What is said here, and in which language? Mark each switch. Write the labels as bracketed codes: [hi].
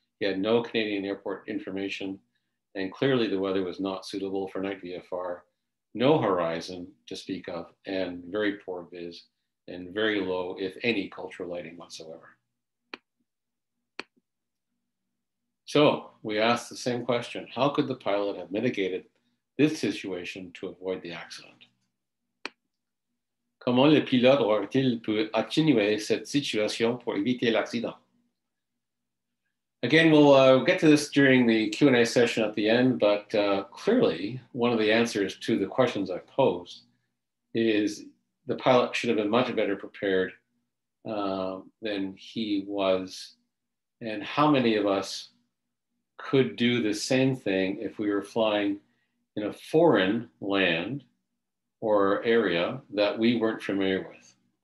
[en] He had no Canadian airport information, and clearly the weather was not suitable for night VFR, no horizon to speak of, and very poor vis, and very low, if any, cultural lighting whatsoever. So we asked the same question: how could the pilot have mitigated this situation to avoid the accident? [fr] Comment le pilote aurait-il pu atténuer cette situation pour éviter l'accident? [en] Again, we'll get to this during the Q&A session at the end, but clearly one of the answers to the questions I've posed is the pilot should have been much better prepared than he was And how many of us could do the same thing if we were flying in a foreign land or area that we weren't familiar with?